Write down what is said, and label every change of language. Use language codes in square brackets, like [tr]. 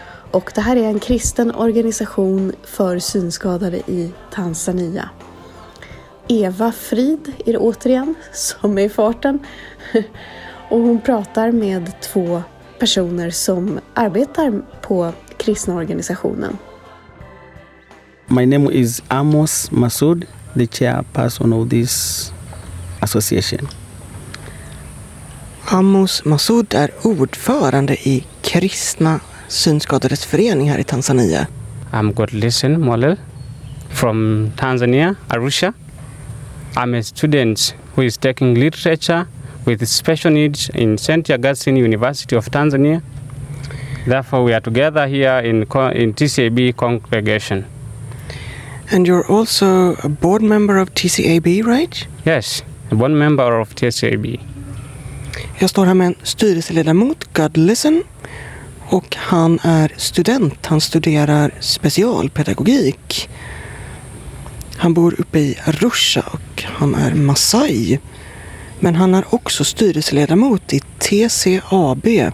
[sv] Och det här är en kristen organisation för synskadade i Tanzania. Eva Frid är återigen som är i farten. Och hon pratar med två personer som arbetar på kristna organisationen. [en] My name is Amos Masoud, the chairperson of this association. [sv] Amos Masoud är ordförande i Kristna Synskadades Förening här i Tanzania. [en] I'm Godlisten Molel from Tanzania, Arusha. I'm a student who is taking literature with special needs in St. Augustine University of Tanzania. Therefore, we are together here in TCAB congregation. And you're also a board member of TCAB, right? Yes, a board member of TCAB. [sv] Jag står här med en styrelseledamot, Godlisten, och han är student. Han studerar specialpedagogik. Han bor uppe i Arusha och han är Masai. Men han är också styrelseledamot i TCAB.